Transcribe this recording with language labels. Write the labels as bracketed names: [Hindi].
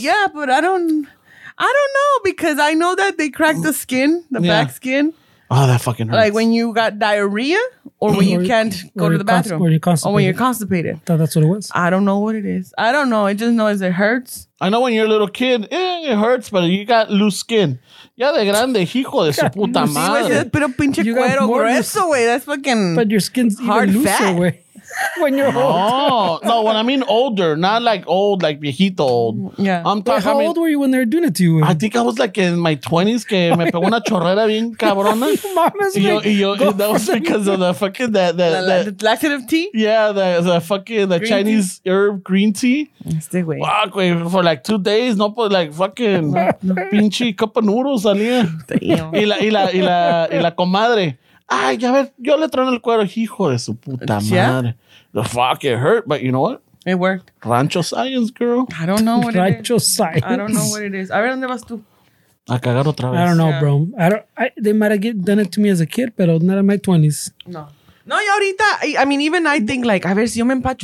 [English] Yeah, but I don't know because I know that they crack the skin, back skin. Oh, that fucking hurts. Like when you got diarrhea or when you can't go to the bathroom. Or you're constipated. Or when you're constipated. That's what it was. I don't know what it is. I don't know. I just know it hurts. I know when you're a little kid, it hurts, but you got loose skin. [Spanish] Ya de grande, hijo de su puta madre. Pero pinche cuero grueso, güey. [English] That's fucking hard fat. But your skin's even looser, güey. When you're old. No, when I mean older, not like old, like viejito old. Yeah. How old were you when they were doing it to you? I think I was like in my 20s [Spanish] que me pegó una chorrera bien cabrona. [English] That was because of the laxative tea? Yeah, the Chinese tea. Herb green tea. Fuck, wait, for like 2 days, [Spanish] no, pues, [English] like fucking pinche cup of noodles salía. [Spanish] y la comadre. Ay, ya ver, yo le trono el cuero, hijo de su puta madre. [English] The fuck, it hurt, but you know what? It worked. Rancho Science, girl. I don't know what Rancho it is. Rancho Science. I don't know what it is. [Spanish] A ver, ¿dónde vas tú? A cagar otra vez. [English] I don't know, bro. They might have done it to me as a kid, pero not in my 20s. [Spanish] No. No, y ahorita, [English] I mean, even I think like, [Spanish] a ver, si yo me empacho.